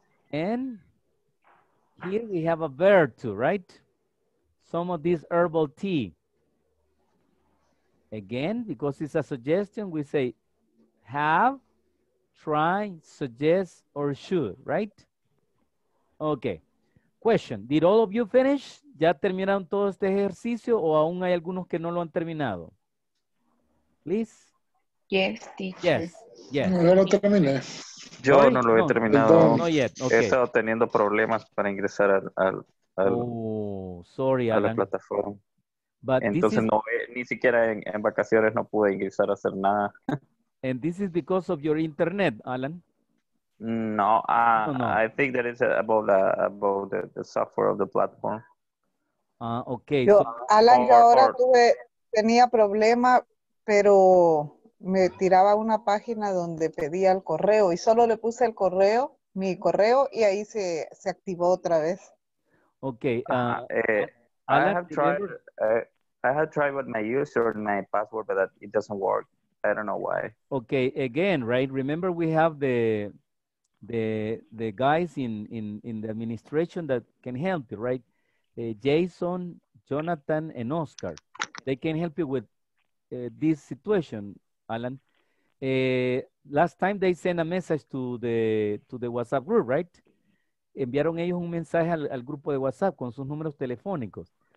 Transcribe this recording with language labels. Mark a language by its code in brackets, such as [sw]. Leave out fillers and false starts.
[en] And here we have a verb too, right? Some of this herbal tea. Again, because it's a suggestion, we say have, try, suggest, or should, right? Okay. Question, did all of you finish [es] ¿Ya terminaron todo este ejercicio o aún hay algunos que no lo han terminado? Liz? [en] Yes, teacher. Yes, yes. [es] No, lo terminé. Yo no lo he terminado. [en] No, yet. Okay. [es] He estado teniendo problemas para ingresar a la plataforma. But entonces, no, ni siquiera en vacaciones no pude ingresar a hacer nada. [en] And this is because of your internet, Alan? No, I think that it's about the software of the platform. Okay. [es] Yo, Alan, yo ahora tenía problema, pero me tiraba una página donde pedía el correo y solo le puse el correo, mi correo, y ahí se activó otra vez. [en] Okay. I have tried with my user and my password, but that it doesn't work. I don't know why. Okay, again, right? Remember, we have the guys in the administration that can help you, right? Jason, Jonathan, and Oscar. They can help you with this situation, Alan. Last time they sent a message to the WhatsApp group, right? [es] Enviaron ellos un mensaje al grupo de WhatsApp con sus números telefónicos.